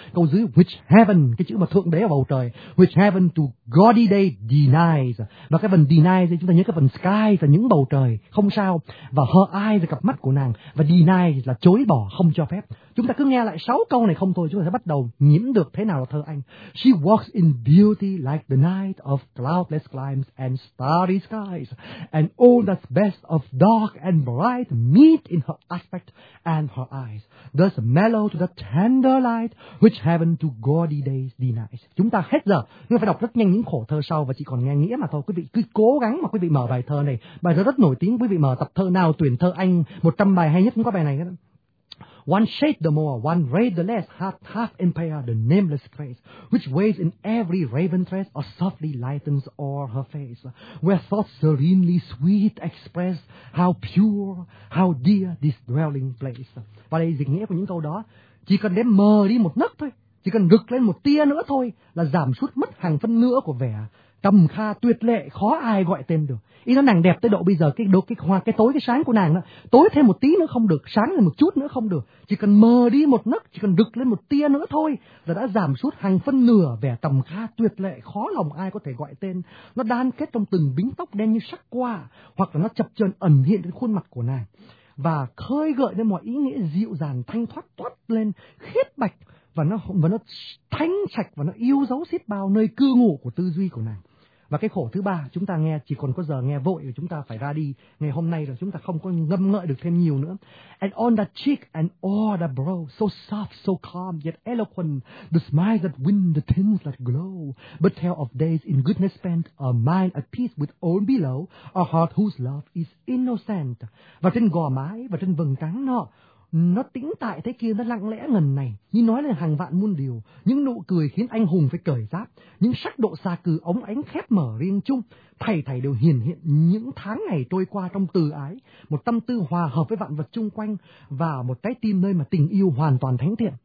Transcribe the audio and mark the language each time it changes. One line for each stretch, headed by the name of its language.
Vietnamese: Câu dưới
English: which heaven,
Vietnamese: cái chữ mà thượng đế ở bầu trời,
English: which heaven to gaudy day denies.
Vietnamese: Và cái phần denies chúng ta nhớ cái phần sky là những bầu trời không sao, và
English: her eyes
Vietnamese: là cặp mắt của nàng, và denies là chối bỏ, không cho phép. Chúng ta cứ nghe lại 6 câu này không thôi chúng ta sẽ bắt đầu nhiễm được thế nào là thơ Anh.
English: She walks in beauty like the night of cloudless climes and starry skies, and all that's best of dark and bright meet in her aspect and her eyes, thus mellow to the tender light which heaven to gaudy days denies.
Vietnamese: Chúng ta hết giờ, nhưng phải đọc rất nhanh những khổ thơ sau và chỉ còn nghe nghĩa mà thôi. Quý vị cứ cố gắng mà quý vị mở bài thơ này. Bài thơ rất nổi tiếng, quý vị mở tập thơ nào tuyển thơ Anh 100 bài hay nhất cũng có bài này hết.
English: One shade the more, one ray the less, half empire the nameless grace, which waves in every raven tress, or softly lightens o'er her face, where thoughts serenely sweet express, how pure, how dear this dwelling place.
Vietnamese: Và đây dịch nghĩa của những câu đó, chỉ cần đếm mờ đi một nấc thôi, chỉ cần rực lên một tia nữa thôi, là giảm sút mất hàng phân nữa của vẻ trầm kha tuyệt lệ, khó ai gọi tên được. Ý nó nàng đẹp tới độ bây giờ cái tối cái sáng của nàng đó, tối thêm một tí nữa không được, sáng lên một chút nữa không được, chỉ cần mờ đi một nấc, chỉ cần đực lên một tia nữa thôi là đã giảm sút hàng phân nửa vẻ tầm kha tuyệt lệ, khó lòng ai có thể gọi tên. Nó đan kết trong từng bím tóc đen như sắc qua, hoặc là nó chập chờn ẩn hiện trên khuôn mặt của nàng và khơi gợi lên mọi ý nghĩa dịu dàng thanh thoát toát lên khiết bạch, và nó thanh sạch và nó yêu dấu xiết bao nơi cư ngụ của tư duy của nàng. Và cái khổ thứ ba chúng ta nghe, chỉ còn có giờ nghe vội và chúng ta phải ra đi ngày hôm nay rồi, chúng ta không có ngâm ngợi được thêm nhiều nữa.
English: And on that cheek and o'er the brow, so soft, so calm, yet eloquent, the smiles that win, the tints that glow, but tell of days in goodness spent, a mind at peace with all below, a heart whose love is innocent.
Vietnamese: Và trên gò mái và trên vầng trán nọ, nó tĩnh tại thế kia, nó lặng lẽ ngần này, như nói lên hàng vạn muôn điều, những nụ cười khiến anh hùng phải cởi giáp, những sắc độ xa cừ ống ánh khép mở riêng chung, thảy thảy đều hiển hiện những tháng ngày trôi qua trong từ ái, một tâm tư hòa hợp với vạn vật chung quanh, và một trái tim nơi mà tình yêu hoàn toàn thánh thiện.